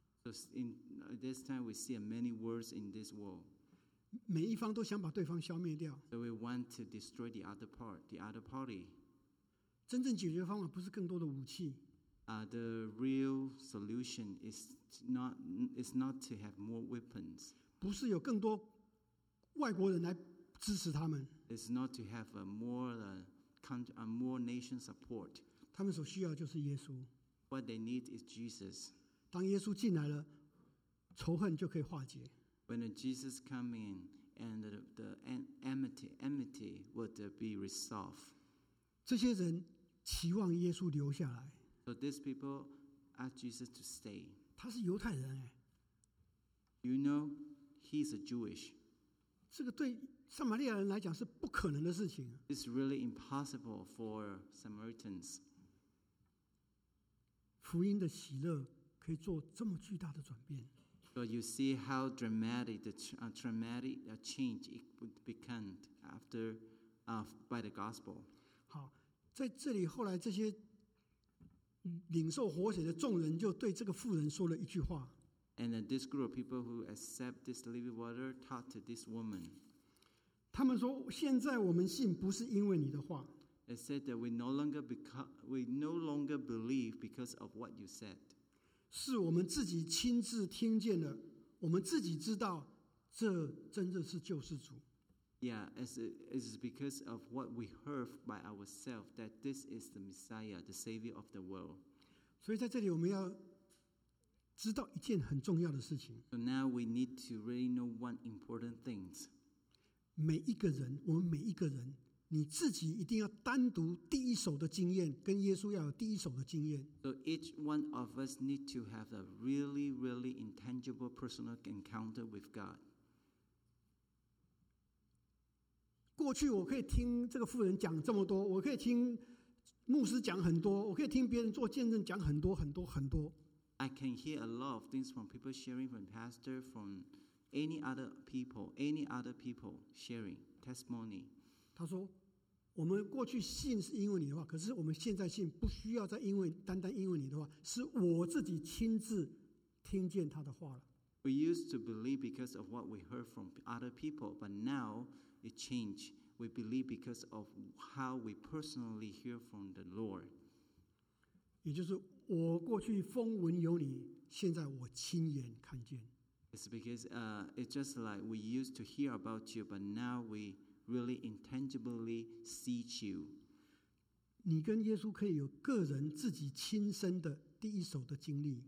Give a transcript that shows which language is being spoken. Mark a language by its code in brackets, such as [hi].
[en] So in this time, we see many wars in this world. [zh] 每一方都想把对方消灭掉。 [en] So we want to destroy the other party. [zh] 真正解决方法不是更多的武器。 [en] The real solution is not to have more weapons. [zh] 不是有更多外国人来支持他们。 [en] It's not to have a more nation support. [zh] 他们所需要就是耶稣。 [en] What they need is Jesus. [zh] 当耶稣进来了，仇恨就可以化解。 [en] When Jesus come in and the enmity would be resolved. [zh] 这些人期望耶稣留下来。 [en] So these people ask Jesus to stay. [zh] 他是犹太人哎。 [en] You know, he's a Jewish. [zh] 这个对撒玛利亚人来讲是不可能的事情。 [en] It's really impossible for Samaritans. [zh] 福音的喜乐可以做这么巨大的转变。 [en] So you see how dramatic the traumatic change it would become after by the gospel. [zh] 好，在这里后来这些领受活水的众人就对这个妇人说了一句话。 [en] And this group of people who accept this living water talked to this woman. [zh] 他们说：“现在我们信不是因为你的话。” [en] They said that we no longer believe because of what you said. [zh] 是我们自己亲自听见了，我们自己知道这真的是救世主。 [en] Yeah, it's because of what we heard by ourselves that this is the Messiah, the Savior of the world. [zh] 所以在这里我们要知道一件很重要的事情。 [en] So now we need to really know one important thing. [zh] 每一个人，我们每一个人，你自己一定要单独第一手的经验，跟耶稣要有第一手的经验。 [en] So each one of us need to have a really, really intangible personal encounter with God. [zh] 过去我可以听这个妇人讲这么多，我可以听牧师讲很多，我可以听别人做见证讲很多很多很多。 [en] I can hear a lot of things from people sharing, from pastor, from any other people sharing testimony. [zh] 他说，我们过去信是因为你的话，可是我们现在信不需要再因为单单因为你的话，是我自己亲自听见他的话了。 [en] We used to believe because of what we heard from other people, but now. It changed. We believe because of how we personally hear from the Lord. [zh] 也就是我过去风闻有你，现在我亲眼看见。 [en] It's because it's just like we used to hear about you, but now we really intangibly see you. [zh] 你跟耶稣可以有个人自己亲身的第一手的经历。